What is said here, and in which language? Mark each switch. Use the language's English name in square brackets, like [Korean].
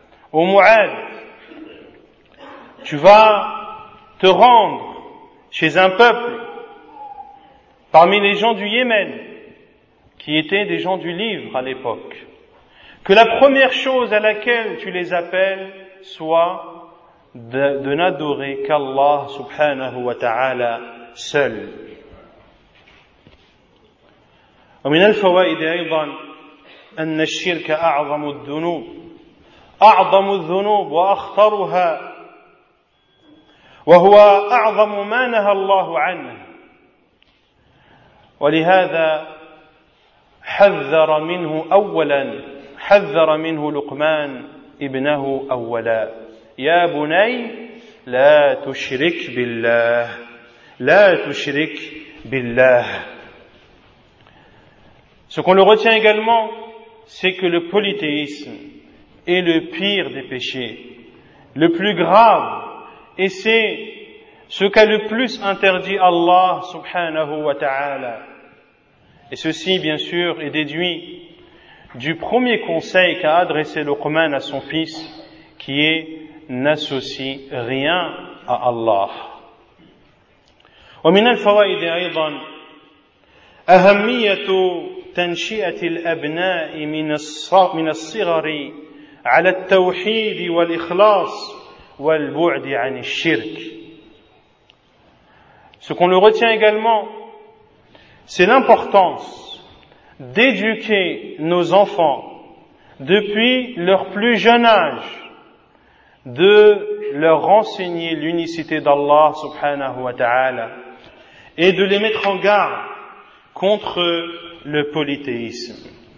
[French] Ô Mu'ad, tu vas te rendre chez un peuple parmi les gens du Yémen qui étaient des gens du livre à l'époque, que la première chose à laquelle tu les appelles soit de n'adorer qu'Allah subhanahu wa ta'ala seul. [Arabic] ومن الفوائد ايضا ان الشرك اعظم الذنوب اعظم الذنوب واخطرها وهو أعظم ما نهى الله عنه ولهذا حذر منه أولا حذر منه لقمان ابنه أولا يا بني لا تشرك بالله لا تشرك بالله. [French] Ce qu'on le retient également, c'est que le polythéisme est le pire des péchés, le plus grave. Et c'est ce qu'a le plus interdit Allah subhanahu wa ta'ala. Et ceci, bien sûr, est déduit du premier conseil qu'a adressé Luqman à son fils, qui est n'associe rien à Allah. [Arabic] ومن الفوائد ايضا اهميه تنشئه الابناء من الصغر على التوحيد والاخلاص والبعد عن الشرك. [French] Ce qu'on le retient également, c'est l'importance d'éduquer nos enfants depuis leur plus jeune âge, de leur renseigner l'unicité d'Allah subhanahu wa ta'ala et de les mettre en garde contre le polythéisme.